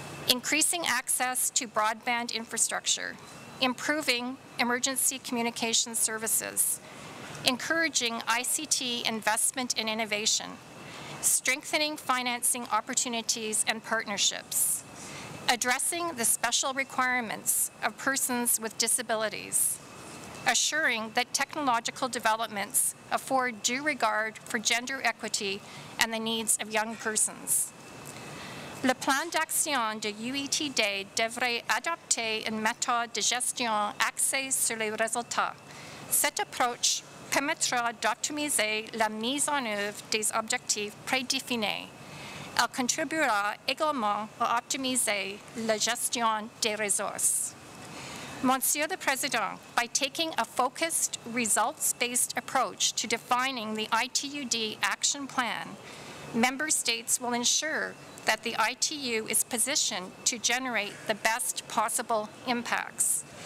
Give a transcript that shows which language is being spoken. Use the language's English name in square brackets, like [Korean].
[English] Increasing access to broadband infrastructure, improving emergency communication services, encouraging ICT investment and innovation, strengthening financing opportunities and partnerships, addressing the special requirements of persons with disabilities, assuring that technological developments afford due regard for gender equity and the needs of young persons. [French] Le plan d'action de UETD devrait adopter une méthode de gestion axée sur les résultats. Cette approche permettra d'optimiser la mise en œuvre des objectifs prédéfinis. Elle contribuera également à optimiser la gestion des ressources. Monsieur le Président, [English] by taking a focused, results-based approach to defining the ITUD action plan, member states will ensure that the ITU is positioned to generate the best possible impacts.